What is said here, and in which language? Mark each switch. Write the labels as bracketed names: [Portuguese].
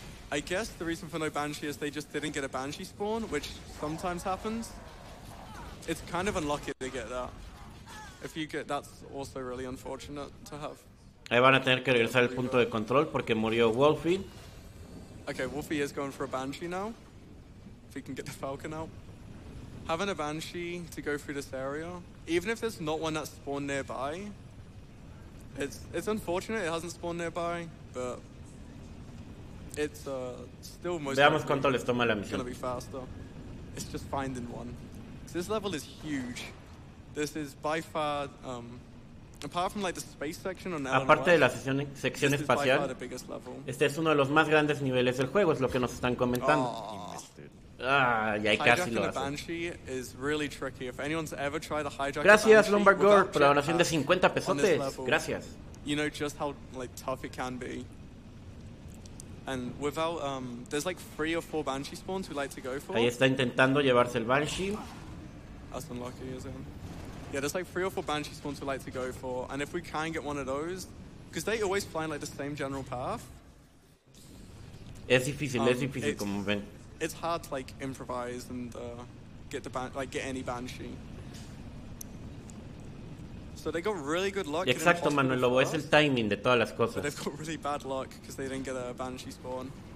[English] I guess the reason for no banshee is they just didn't get a banshee spawn, which sometimes happens. It's kind of unlucky to get that. If you get, that's also really unfortunate to have. [Spanish] Ahí van a tener que regresar el punto de control porque murió Wolfie. [English] Okay, Wolfie is going for a banshee now. If he can get the falcon out. Having a banshee to go through this area, even if there's not one that spawned nearby, it's unfortunate it hasn't spawned nearby, but it's still most [Spanish] veamos cuánto les toma la misión. [English] It's just finding one. So this level is huge. This is by far apart from like the space section on [Spanish] aparte de la sección espacial, este es uno de los más grandes niveles del juego, es lo que nos están comentando. Ya casi lo hace. Gracias Lombard Gore por la donación de 50 pesotes. Gracias. [English] You know just how like tough it can be. And without there's like 3 or 4 banshee spawns we like to go for. [Spanish] Ahí está intentando llevarse el banshee. [English] That's unlucky, isn't it? Yeah, there's like 3 or 4 banshee spawns we like to go for, and if we can get one of those, because they always fly like the same general path. [Spanish] Es difícil, como ven. [English] It's hard to like improvise and get any banshee. So they got really good luck. [Spanish] Exacto, Manuel Lobo, es el timing de todas las cosas. [English] They've got really bad luck because they didn't get a banshee spawn.